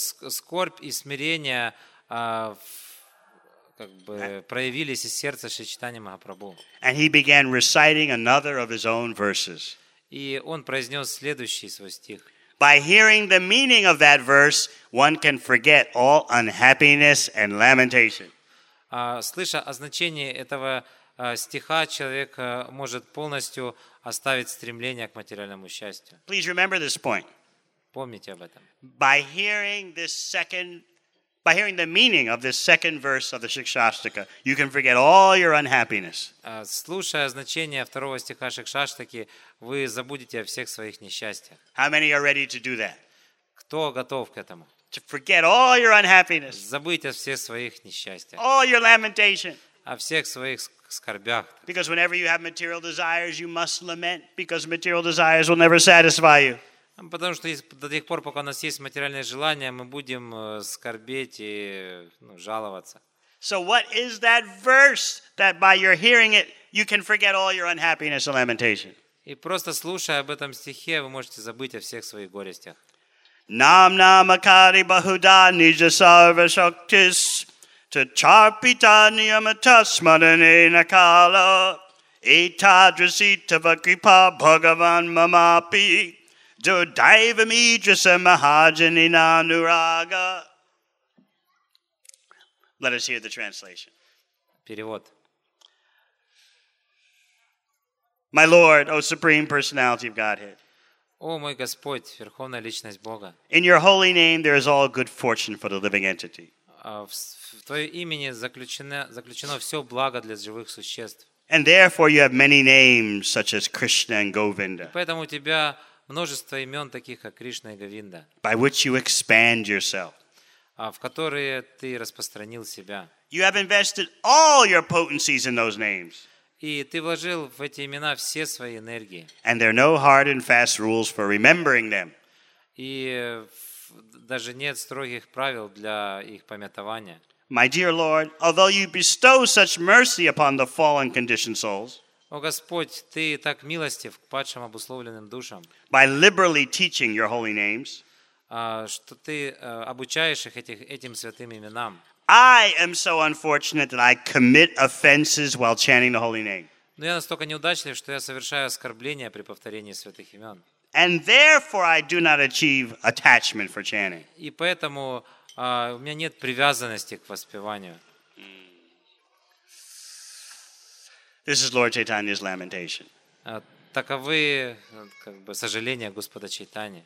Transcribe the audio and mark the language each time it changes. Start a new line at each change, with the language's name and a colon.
Russian: Скорбь и смирение как бы проявились из сердца Шри Чайтаньи Махапрабху.
English: And he began reciting another of his own verses.
Russian: И он произнёс следующий свой стих.
English: By hearing the meaning of that verse, one can forget all unhappiness and lamentation.
Russian: Слыша о значении этого стиха, человек может полностью оставить стремление к материальному счастью.
English: Please remember this point.
Russian: Помните об этом.
English: By hearing the meaning of this second verse of the Shikshastaka, you can forget all your unhappiness.
Russian: Слушая значение второго стиха Шикшаштаки, вы забудете о всех своих несчастьях.
English: How many are ready to do that?
Russian: Кто готов к этому?
English: To forget all your unhappiness.
Russian: Забыть о всех своих несчастьях.
English: All your lamentation.
Russian: О всех своих скорбях.
English: Because whenever you have material desires, you must lament, because material desires will never satisfy you.
Russian: Потому что до тех пор, пока у нас есть материальные желания, мы будем скорбеть и жаловаться.
English: So what is that verse that by your hearing it you can forget all your unhappiness and lamentation?
Russian: И просто слушая об этом стихе, вы можете забыть о всех своих горестях. Нам намакари бахуда нижа сарва шоктис тачарпитаниам атасмадане накала итадраситава крипа бхагаван мамапи Jo daiva midrasa mahajanina nuraga.
English: Let us hear the translation.
Russian: Перевод.
English: My Lord, O Supreme Personality of Godhead.
Russian: О мой Господь, верховная личность Бога.
English: In your holy name there is all good fortune for the living entity.
Russian: в твое имени заключено все благо для живых существ.
English: And therefore you have many names such as Krishna and Govinda.
Russian: Поэтому у тебя множество имен таких как Кришна и Говинда.
English: By which you expand yourself.
Russian: В которые ты распространил себя.
English: You have invested all your potencies in those names.
Russian: И ты вложил в эти имена все свои энергии.
English: And there are no hard and fast rules for remembering them.
Russian: И даже нет строгих правил для их памятования.
English: My dear Lord, although you bestow such mercy upon the fallen conditioned souls,
Russian: О Господь, ты так милостив к падшим обусловленным душам.
English: By liberally teaching your holy names,
Russian: что ты обучаешь их этим святым именам.
English: I am so unfortunate that I commit offenses while chanting the holy name.
Russian: Но я настолько неудачлив, что я совершаю оскорбления при повторении святых имен.
English: And therefore I do not achieve attachment for chanting.
Russian: И поэтому у меня нет привязанности к воспеванию.
English: This is Lord Chaitanya's lamentation.
Russian: Таковы как бы сожаления Господа Чайтани.